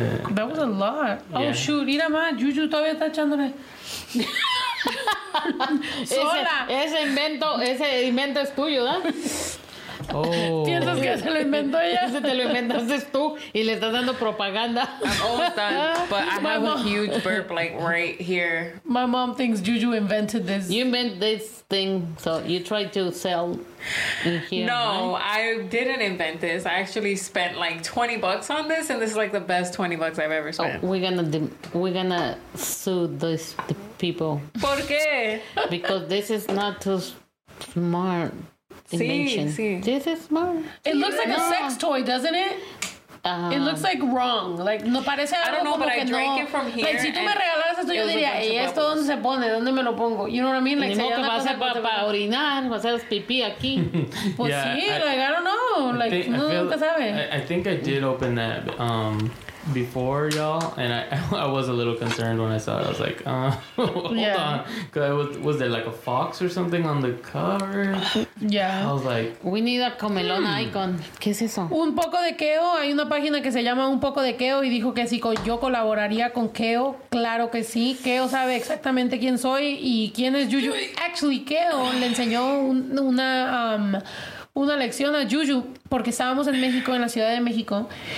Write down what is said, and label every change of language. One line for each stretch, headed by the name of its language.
English: That was a lot. Yeah. Oh shoot,
Spanish: mira más, Juju todavía está echándole. Sola. Ese invento es tuyo, ¿verdad? ¿No? Oh. ¿Piensas que se lo inventó ella? Ese te lo inventaste tú y le estás dando propaganda.
English: I'm almost done, but I have a huge burp like right here. My mom thinks Juju invented this. You invent this thing, so you try to sell in here. No, right? I didn't invent this. I actually spent like $20 on this, and this is like the best $20 I've ever spent. Oh, we're gonna sue those people.
Spanish: ¿Por qué?
English: Because this is not too smart. See, this is smart. It looks like a sex toy, doesn't it? It looks like wrong. Like,
Spanish: no parece algo como que no.
English: I don't know, but I drank it from here. Like,
Spanish: si tú me regalaras esto, yo diría, ¿y esto dónde se pone? ¿Dónde me lo pongo?
English: You know what I mean? Like,
Spanish: ¿qué va a ser para orinar? ¿Va a ser pipí aquí? Pues sí,
English: like, I don't know. Like,
Spanish: no, nunca sabe.
English: I think I did open that before y'all, and I was a little concerned when I saw it. I was like, hold on, because was there like a fox or something on the cover? Yeah, I was like, we need a comelón icon.
Spanish: ¿Qué es eso? Un poco de Keo. Hay una página que se llama Un poco de Keo y dijo que si yo colaboraría con Keo, claro que sí. Keo sabe exactamente quién soy y quién es Juju.
English: Actually,
Spanish: Keo le enseñó una lección a Juju porque estábamos en México, en la Ciudad de México.